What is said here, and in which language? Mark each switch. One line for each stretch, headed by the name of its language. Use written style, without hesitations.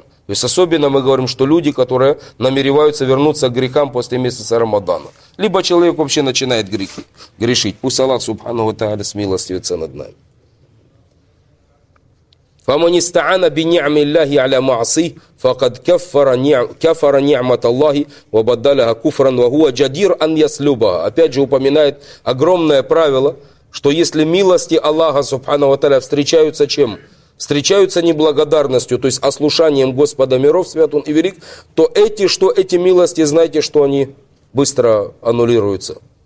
Russian: То есть особенно мы говорим, что люди, которые намереваются вернуться к грехам после месяца Рамадана. Либо человек вообще начинает грешить. Пусть Аллах Субханаху ва Тааля смилостивится над нами.
Arabic: فمن استعان بنعم الله على معصيه فقد كفر نعمة الله وبدلها كفرا وهو جدير أن يسلبها.
Russian: Опять же упоминает огромное правило, что если милости Аллаха Субханаху ва Тааля встречаются чем? Встречаются неблагодарностью, то есть ослушанием Господа миров, свят он и велик, то эти, что эти милости, знаете, что они быстро аннулируются.